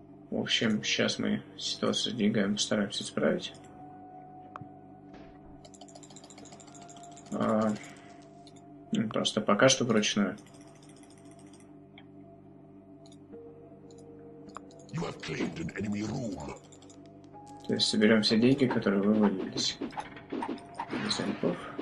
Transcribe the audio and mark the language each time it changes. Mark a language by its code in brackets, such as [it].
[ru] В общем, сейчас мы ситуацию с деньгами постараемся исправить. Просто пока что вручную. [en] You have claimed an enemy room. [ru] То есть соберем все деньги, которые вывалились. Из эльфов.